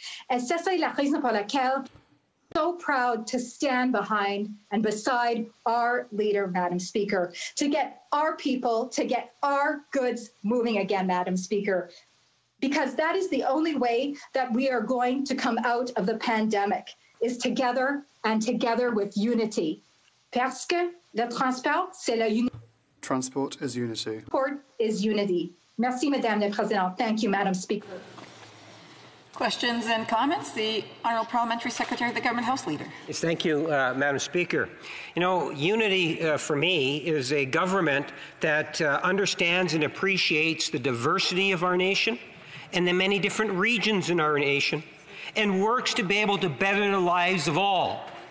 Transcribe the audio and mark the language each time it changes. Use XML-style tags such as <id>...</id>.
<en>And</en> <fr>c'est la raison pour laquelle</fr> <en>so proud to stand behind and beside our leader, Madam Speaker, to get our people, to get our goods moving again, Madam Speaker. because that is the only way that we are going to come out of the pandemic, is together and together with unity.</en> <fr>Parce que le transport, c'est la unité.</fr> <en>Transport is unity. Transport is unity.</en> <fr>Merci, Madame la Présidente.</fr> <en>Thank you, Madam Speaker. Questions and comments? The Honourable Parliamentary Secretary of the Government, House Leader. Yes, thank you, Madam Speaker. You know, unity for me is a government that understands and appreciates the diversity of our nation and the many different regions in our nation, and works to be able to better the lives of all.</en>